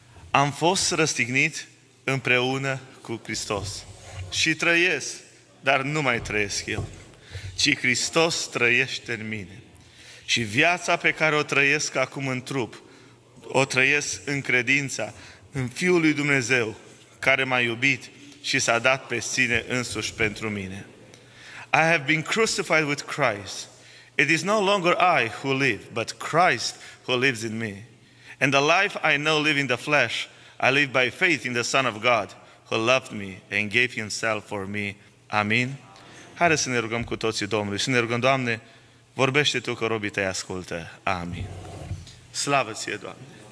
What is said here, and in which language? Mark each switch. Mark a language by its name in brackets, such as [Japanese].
[Romanian] Am fost răstignit împreună cu Hristos și trăiesc, dar nu mai trăiesc eu, ci Hristos trăiește în mine. Și viața pe care o trăiesc acum în trup, o trăiesc în credința, în Fiul lui Dumnezeu, care m-a iubit și s-a dat pe sine însuși pentru mine. [English] I have been crucified with Christ. It is no longer I who live, but Christ who lives in me. And the life I now live in the flesh, I live by faith in the Son of God, who loved me and gave himself for me. [Romanian] Amin. Haideți să ne rugăm cu toții Domnului, să ne rugăm, Doamne, vorbește Tu, că robii Tăi ascultă. Amin. Slavă Ție, Doamne!